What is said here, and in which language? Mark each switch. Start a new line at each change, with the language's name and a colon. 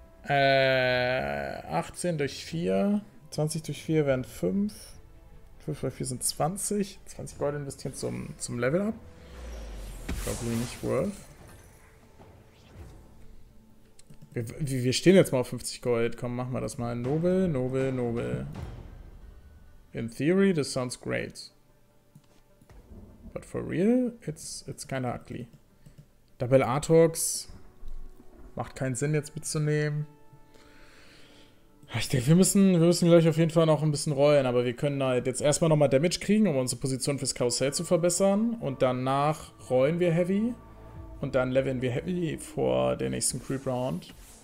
German: 18 durch 4. 20 durch 4 wären 5. 5 durch 4 sind 20. 20 Gold investieren zum Level Up. Probably nicht worth. Wir stehen jetzt mal auf 50 Gold. Komm, machen wir das mal. Nobel, Nobel, Nobel.
English: In theory, this sounds great. But for real, it's kinda ugly. Double Artox.
German: Macht keinen Sinn, jetzt mitzunehmen. Ich denke, wir müssen gleich auf jeden Fall noch ein bisschen rollen, aber wir können halt jetzt erstmal nochmal Damage kriegen, um unsere Position fürs Karussell zu verbessern. Und danach rollen wir Heavy. Und dann leveln wir Heavy vor der nächsten Creep Round.